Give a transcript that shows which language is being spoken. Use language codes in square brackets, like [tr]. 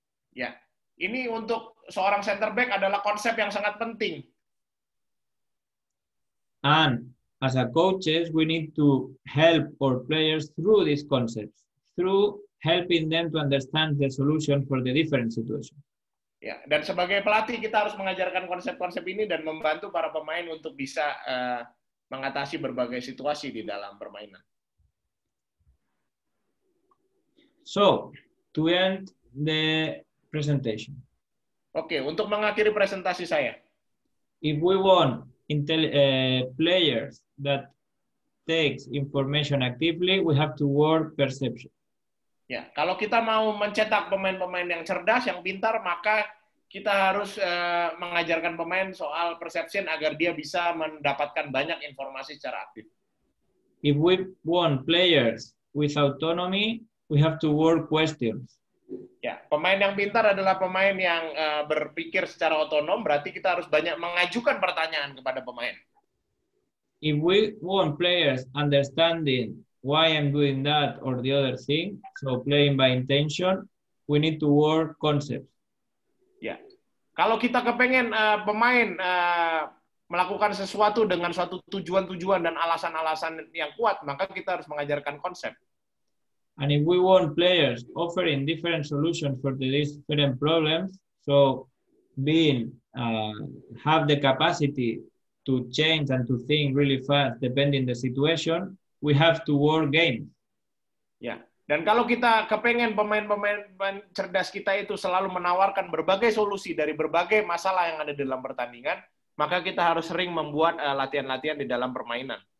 [id] Ya, ini untuk seorang center back adalah konsep yang sangat penting. [en] And, as a coaches, we need to help our players through these concepts, through helping them to understand the solution for the different situations. [id] Ya, dan sebagai pelatih kita harus mengajarkan konsep-konsep ini dan membantu para pemain untuk bisa mengatasi berbagai situasi di dalam permainan. [en] So, to end the presentation. [id] Oke, untuk mengakhiri presentasi saya. [en] If we want players that takes information actively, we have to work perception. [id] Ya, kalau kita mau mencetak pemain-pemain yang cerdas, yang pintar, maka kita harus mengajarkan pemain soal perception agar dia bisa mendapatkan banyak informasi secara aktif. [en] If we want players with autonomy, we have to work questions. [id] Ya, pemain yang pintar adalah pemain yang berpikir secara otonom, berarti kita harus banyak mengajukan pertanyaan kepada pemain. [en] If we want players understanding why I'm doing that or the other thing, so playing by intention, we need to work concepts. [id] Ya, kalau kita kepengen pemain melakukan sesuatu dengan suatu tujuan-tujuan dan alasan-alasan yang kuat, maka kita harus mengajarkan konsep. [en] And if we want players offering different solutions for the different problems, so being have the capacity to change and to think really fast depending the situation, we have to work games. Yeah. [id] Dan kalau kita kepengen pemain-pemain cerdas kita itu selalu menawarkan berbagai solusi dari berbagai masalah yang ada dalam pertandingan, maka kita harus sering membuat latihan-latihan di dalam permainan.